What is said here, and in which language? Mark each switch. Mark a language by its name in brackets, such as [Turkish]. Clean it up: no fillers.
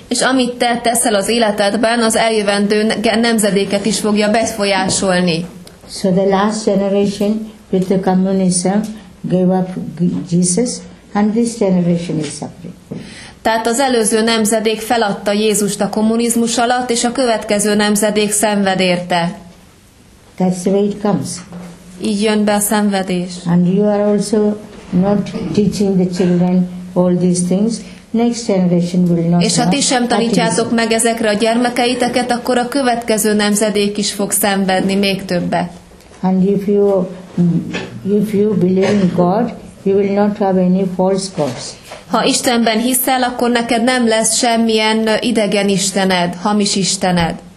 [Hungarian] És amit te teszel az életedben, az eljövendő nemzedéket is fogja befolyásolni. [English] So the last generation with the communism gave up Jesus, and this generation is suffering. [Hungarian] Tehát az előző nemzedék feladta Jézust a kommunizmus alatt, és a következő nemzedék szenved érte. [English] That's the way it comes. [Hungarian] Így jön be a szenvedés. [English] And you are also not teaching the children all these things. Next generation will not. [Hungarian] És ha ti sem tanítjátok meg ezekre a gyermekeiteket, akkor a következő nemzedék is fog szenvedni még többet. [English] And if you believe in God, you will not have any false gods. [Hungarian] Ha Istenben hiszel, akkor neked nem lesz semmilyen idegen istened, hamis istened.